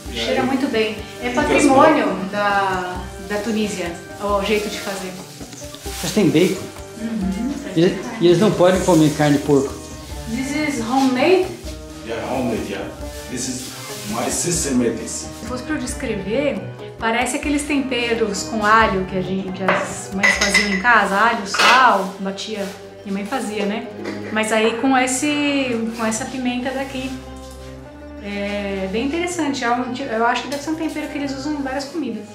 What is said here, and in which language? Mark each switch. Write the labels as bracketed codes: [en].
[pt] Cheira muito bem. É patrimônio da Tunísia, o jeito de fazer. Mas tem bacon. Uhum. E eles não podem comer carne de porco. [en] Homemade? Yeah, homemade, yeah. This is my sister made this. [pt] Se fosse para eu descrever, parece aqueles temperos com alho que as mães faziam em casa, alho, sal, batia, minha mãe fazia, né? Mas aí com essa pimenta daqui. É bem interessante, eu acho que deve ser um tempero que eles usam em várias comidas.